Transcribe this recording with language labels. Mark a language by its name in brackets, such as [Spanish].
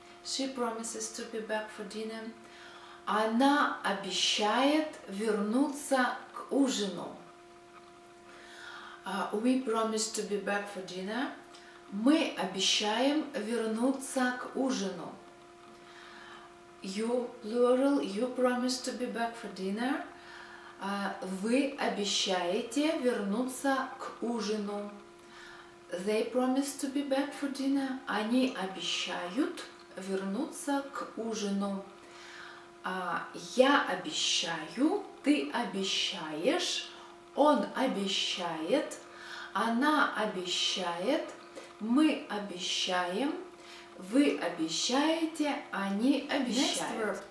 [English] She promises to be back for dinner. [Russian] Она обещает вернуться к ужину. [English] We promise to be back for dinner. [Russian] Мы обещаем вернуться к ужину. [English] You, plural, you promise to be back for dinner. [Russian] Вы обещаете вернуться к ужину. [English] They promise to be back for dinner. [Russian] Они обещают вернуться к ужину. Я обещаю, ты обещаешь, он обещает, она обещает, мы обещаем, вы обещаете, они обещают.